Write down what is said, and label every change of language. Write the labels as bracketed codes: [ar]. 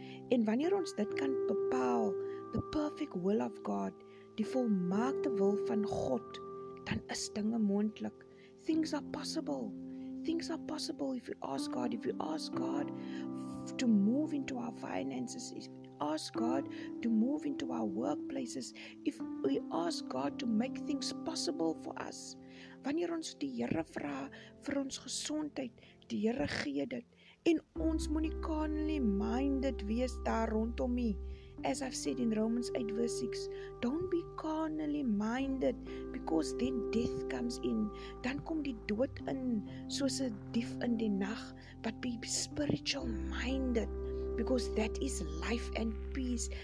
[af] En wanneer ons dit kan bepaal, [en] the perfect will of God, [af] die volmaakte wil van God, dan is dinge moontlik. [en] Things are possible. Things are possible if you ask God, if you ask God to move into our finances, if you ask God to move into our workplaces, if we ask God to make things possible for us. [af] Wanneer ons die Here vra vir ons gesondheid, die Here gee dit. En ons moet nie [en] carnally minded [af] wees daar rondom nie. [en] As I've said in Romans 8 verse 6, don't be carnally minded, because then death comes in. [af] Dan kom die dood in, soos 'n dief in die nag, [en] but be spiritual minded, because that is life and peace.